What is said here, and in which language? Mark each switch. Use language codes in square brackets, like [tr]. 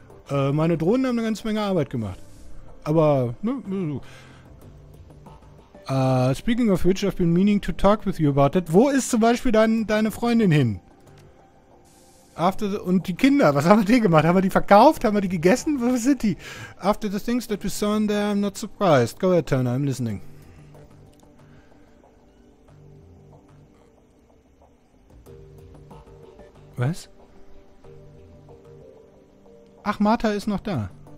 [de] Meine Drohnen haben eine ganze Menge Arbeit gemacht. Aber, ne, [en] speaking of which, I've been meaning to talk with you about it. [de] Wo ist zum Beispiel deine Freundin hin? Und die Kinder, was haben wir die gemacht? Haben wir die verkauft? Haben wir die gegessen? Wo sind die? [en] After the things that we saw in there, I'm not surprised. Go ahead, Turner, I'm listening. [de] Was? Ach, Martha ist noch da.